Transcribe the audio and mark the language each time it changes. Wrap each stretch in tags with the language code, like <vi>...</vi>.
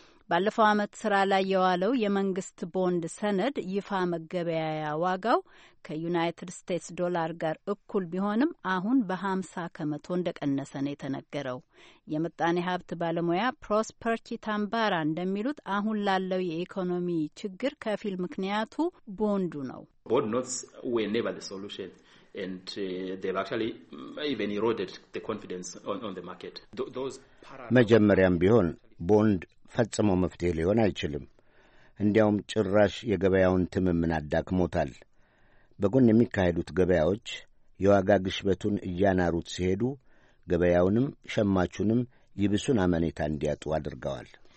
<am>ባለፈው ዓመት ስራ ላይ የዋለው የመንግስት ቦንድ ሰነድ ይፋ መገበያያ ዋጋው ከዩናይትድ ስቴትስ ዶላር ጋር እኩል ቢሆንም አሁን በ50% እንደቀነሰ ነው የተነገረው። የምጣኔ ሀብት ባለሙያ ፕሮስፐር ቺታምባራ እንደሚሉት አሁን ላለው የኢኮኖሚ ችግር ከፊል ምክንያቱ ቦንዱ ነው።</am> <en>Bond notes were never the solution. And they've actually even eroded the confidence on the market.</en> <am>መጀመሪያም ቢሆን ቦንድ ፈጽሞ መፍትሄ ሊሆን አይችልም። እንዲያውም ጭራሽ የገበያውን ትምምን አዳክሞታል። በጎን የሚካሄዱት ገበያዎች የዋጋ ግሽበቱን እያናሩት ሲሄዱ ገበያውንም ሸማቹንም ይብሱን አመኔታ እንዲያጡ አድርገዋል።</am>